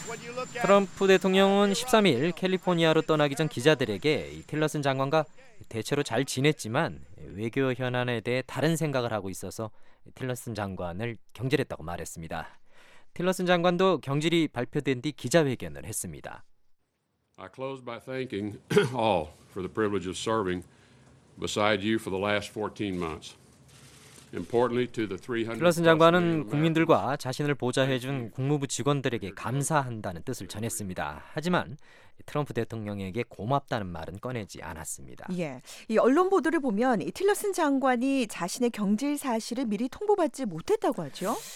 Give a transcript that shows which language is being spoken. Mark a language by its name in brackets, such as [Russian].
[English] When you look at [Korean] 트럼프 대통령은 13일 캘리포니아로 떠나기 전 기자들에게 틸러슨 장관과 대체로 잘 지냈지만 외교 현안에 대해 다른 생각을 하고 있어서 틸러슨 장관을 경질했다고 말했습니다. 틸러슨 장관도 경질이 발표된 뒤 기자회견을 했습니다. [English] I close by thanking all for the privilege of serving beside you for the last 14 months. [Korean] 틸러슨 장관은 국민들과 자신을 보좌해준 국무부 직원들에게 감사한다는 뜻을 전했습니다. 하지만 트럼프 대통령에게 고맙다는 말은 꺼내지 않았습니다. 예, 이 언론 보도를 보면 틸러슨 장관이 자신의 경질 사실을 미리 통보받지 못했다고 하죠?